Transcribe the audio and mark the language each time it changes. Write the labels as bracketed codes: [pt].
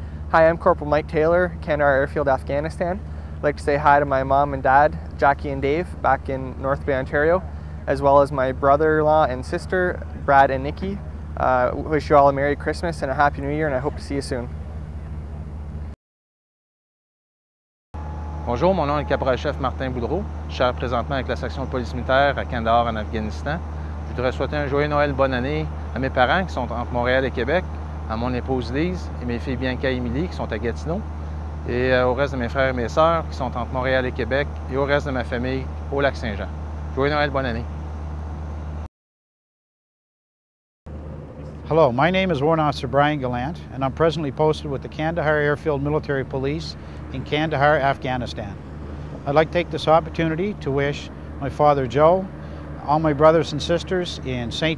[en] Hi, I'm Corporal Mike Taylor, Kandahar Airfield, Afghanistan. I'd like to say hi to my mom and dad, Jackie and Dave, back in North Bay, Ontario, as well as my brother-in-law and sister, Brad and Nikki. Wish you all a Merry Christmas and a Happy New Year, and I hope to see you soon. [fr] Bonjour, mon nom est le caporal-chef Martin Boudreau. Je suis présentement avec la section de police militaire à Kandahar, en Afghanistan. Je voudrais souhaiter un joyeux Noël, bonne année à mes parents qui sont entre Montréal et Québec, à mon épouse Lise et mes filles Bianca et Émilie qui sont à Gatineau, et au reste de mes frères et mes sœurs qui sont entre Montréal et Québec et au reste de ma famille au Lac-Saint-Jean. Joyeux Noël, bonne année. [en] Hello, my name is Warrant Officer Brian Gallant, and I'm presently posted with the Kandahar Airfield Military Police in Kandahar, Afghanistan. I'd like to take this opportunity to wish my father Joe, all my brothers and sisters in St.